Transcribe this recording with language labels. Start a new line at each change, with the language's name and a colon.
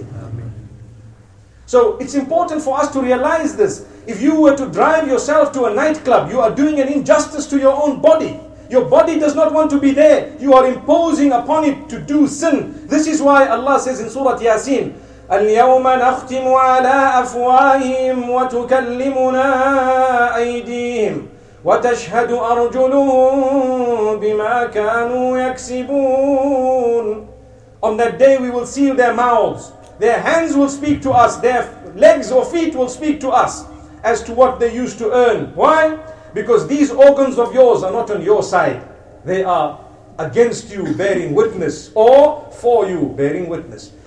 English: Amen. So it's important for us to realize this. If you were to drive yourself to a nightclub, you are doing an injustice to your own body. Your body does not want to be there. You are imposing upon it to do sin. This is why Allah says in Surah Yasin,
Arabic: اليوم نختم على أفواههم وتكلمنا أيديهم وتشهد أرجلهم بما كانوا يكسبون.
English: On that day we will seal their mouths. Their hands will speak to us. Their legs or feet will speak to us as to what they used to earn. Why? Because these organs of yours are not on your side. They are against you bearing witness, or for you bearing witness.